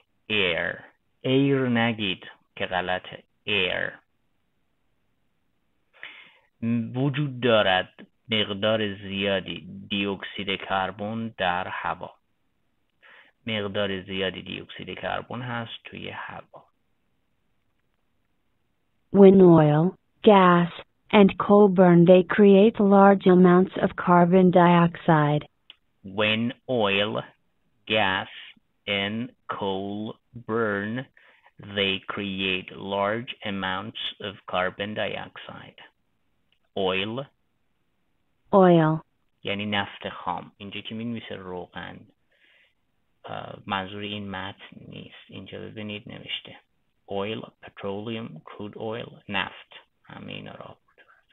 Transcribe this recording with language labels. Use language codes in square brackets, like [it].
[fa] Air. Air نگید که غلطه. Air. وجود دارد. مقدار زیادی دیوکسید کربن در هوا. مقدار زیادی دیوکسید کربن هست توی هوا. [en] When oil, gas, and coal burn, they create large amounts of carbon dioxide. When oil, gas, and coal burn, they create large amounts of carbon dioxide. Oil. Oil. [fa] یعنی نفت خام. اینجا که می نویسه روغن منظور این متن نیست. اینجا ببینید نوشته [en] oil, petroleum, crude oil, [fa] نفت. همه اینا را بود.